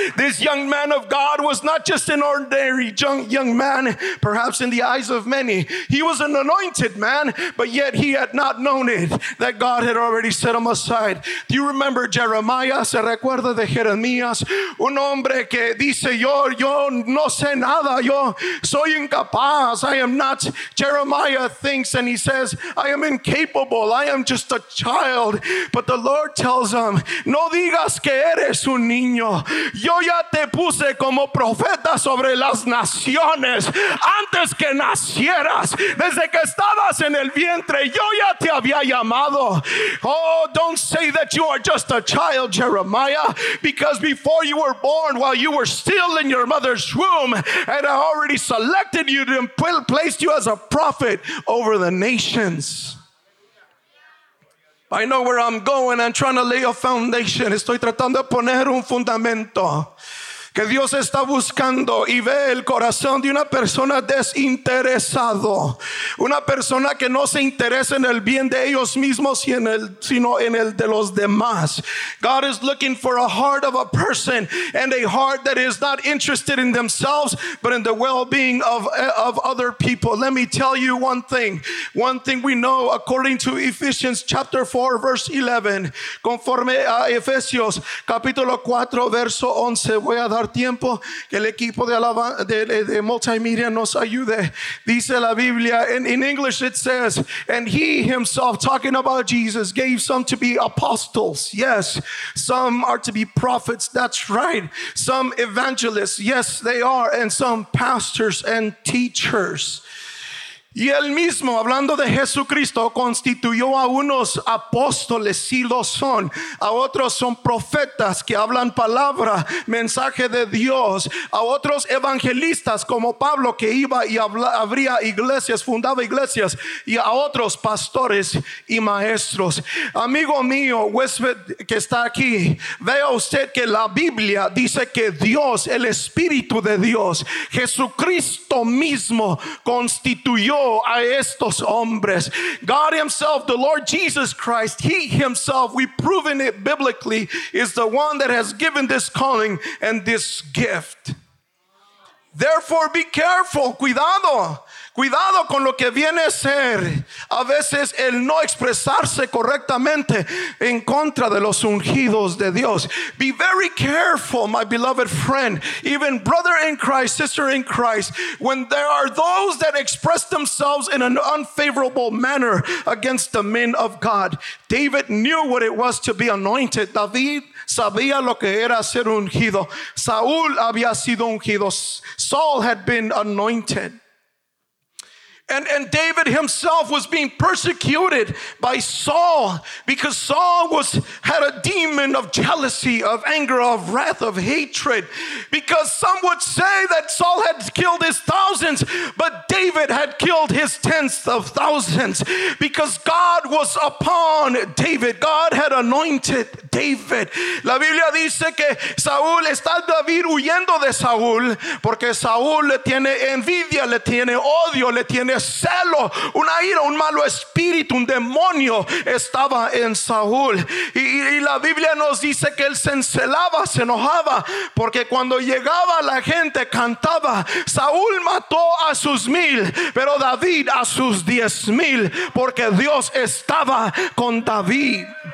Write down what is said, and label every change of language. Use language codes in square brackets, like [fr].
[en] This young man of God was not just an ordinary young man, perhaps in the eyes of many. He was an anointed man, but yet he had not known it, that God had already set him aside. Do you remember Jeremiah? [es] ¿Se recuerda de Jeremías? [en] Un hombre que dice, yo no sé nada, yo soy incapaz. I am not, Jeremiah thinks, and he says, I am incapable, I am just a child. But the Lord tells him, [es] no digas que eres un niño. Yo ya te puse como profeta sobre las naciones. Antes que nacieras, desde que estabas en el vientre, yo ya te había llamado. [en] Oh, don't say that you are just a child, Jeremiah, because before you were born, while you were still in your mother's womb, and I already selected you and placed you as a prophet over the nations. I know where I'm going. I'm trying to lay a foundation. [es] Estoy tratando de poner un fundamento. Que Dios está buscando y ve el corazón de una persona desinteresado. Una persona que no se interesa en el bien de ellos mismos sino en el de los demás. [en] God is looking for a heart of a person and a heart that is not interested in themselves but in the well-being of other people. Let me tell you one thing. One thing we know according to Ephesians chapter 4 verse 11. [es] Conforme a Efesios capítulo 4 verso 11 voy a dar tiempo que el equipo de multimedia nos ayude. Dice la Biblia, [en] in English it says, and he himself, talking about Jesus, gave some to be apostles. Yes, some are to be prophets. That's right. Some evangelists. Yes, they are. And some pastors and teachers. [es] Y él mismo, hablando de Jesucristo, constituyó a unos apóstoles, si lo son. A otros son profetas que hablan palabra, mensaje de Dios. A otros evangelistas como Pablo que iba y abría iglesias, fundaba iglesias. Y a otros pastores y maestros. Amigo mío, huésped que está aquí, vea usted que la Biblia dice que Dios, el Espíritu de Dios, Jesucristo mismo constituyó a estos hombres. [en] God himself, the Lord Jesus Christ, he himself, we've proven it biblically, is the one that has given this calling and this gift. Therefore, be careful. [es] Cuidado. Cuidado con lo que viene a ser. A veces el no expresarse correctamente en contra de los ungidos de Dios. [en] Be very careful, my beloved friend, even brother in Christ, sister in Christ, when there are those that express themselves in an unfavorable manner against the men of God. David knew what it was to be anointed. [es] David sabía lo que era ser ungido. Saúl había sido ungido. [en] Saul had been anointed. And David himself was being persecuted by Saul because Saul had a demon of jealousy, of anger, of wrath, of hatred. Because some would say that Saul had killed his thousands, but David had killed his tens of thousands because God was upon David. God had anointed David. [es] La Biblia dice que Saúl está David huyendo de Saúl porque Saúl le tiene envidia, le tiene odio, le tiene celo, una ira, un malo espíritu, un demonio estaba en Saúl. Y la Biblia nos dice que él se encelaba, se enojaba, porque cuando llegaba la gente cantaba, Saúl mató a sus mil, pero David a sus 10,000, porque Dios estaba con David.